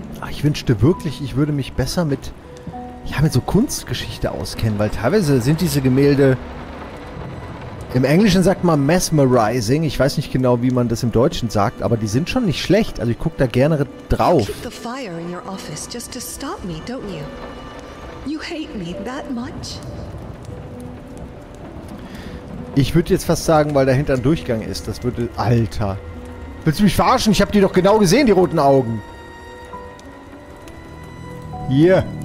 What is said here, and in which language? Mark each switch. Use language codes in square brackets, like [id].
[de] Ich wünschte wirklich, ich würde mich besser mit... Ja, mit so Kunstgeschichte auskennen, weil teilweise sind diese Gemälde, im Englischen sagt man mesmerizing, ich weiß nicht genau, wie man das im Deutschen sagt, aber die sind schon nicht schlecht, also ich gucke da gerne drauf. [en] You keep the fire in your office just to stop me, don't you? You hate me that much? [de] Ich würde jetzt fast sagen, weil dahinter ein Durchgang ist, das würde... Alter. Willst du mich verarschen? Ich habe die doch genau gesehen, die roten Augen. Hier.